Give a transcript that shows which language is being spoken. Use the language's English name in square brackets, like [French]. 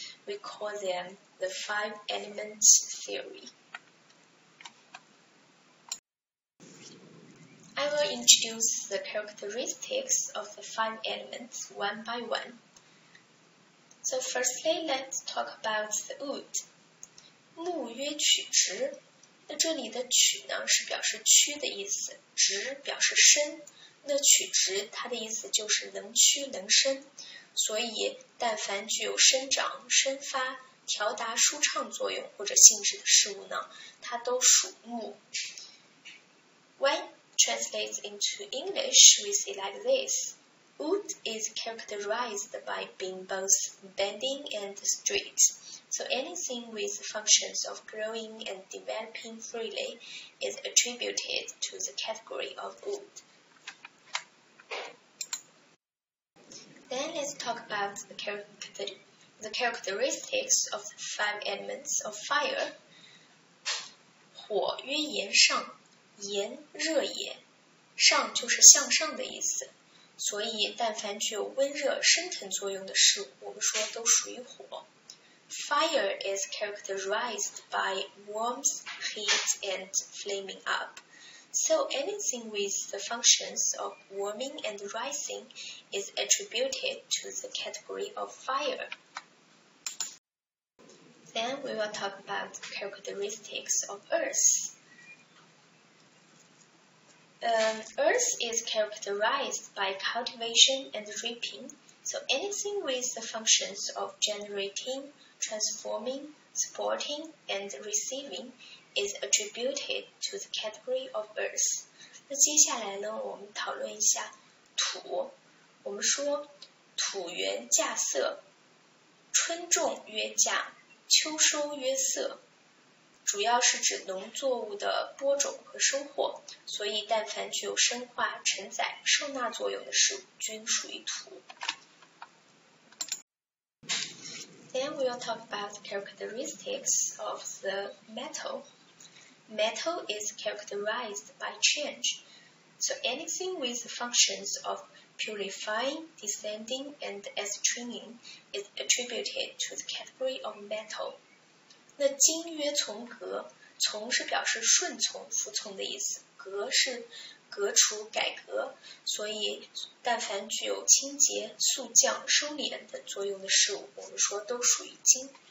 [English] We call them the five elements theory. I will introduce the characteristics of the five elements one by one. So firstly, let's talk about the wood. [Chinese] 木曰曲直，那这里的曲呢是表示曲的意思，直表示深，那曲直它的意思就是能曲能伸，所以但凡具有伸长、伸发、调达舒畅作用或者性质的事物呢，它都属木。 [English] When translates into English, we say like this. Wood is characterized by being both bending and straight. So anything with functions of growing and developing freely is attributed to the category of wood. Then let's talk about the characteristics of the five elements of fire. [Chinese] 火曰炎上，炎热也，上就是向上的意思。所以但凡具有温热升腾作用的事物我们说都属于火。 [English] Fire is characterized by warmth, heat, and flaming up. So anything with the functions of warming and rising is attributed to the category of fire. Then we will talk about the characteristics of earth. Earth is characterized by cultivation and reaping, so anything with the functions of generating, transforming, supporting, and receiving is attributed to the category of earth. [Chinese] 那接下来呢，我们讨论一下土。我们说土原稼穑，春种曰稼，秋收曰穑。主要是指农作物的播种和收获，所以但凡具有生化、承载、受纳作用的事物均属于土。 [English] Then we will talk about the characteristics of the metal. Metal is characterized by change. So anything with the functions of purifying, descending, and estringing is attributed to the category of metal. [Chinese] 那金曰从革，从是表示顺从、服从的意思，革是革除、改革，所以但凡具有清洁、肃降、收敛等作用的事物，我们说都属于金。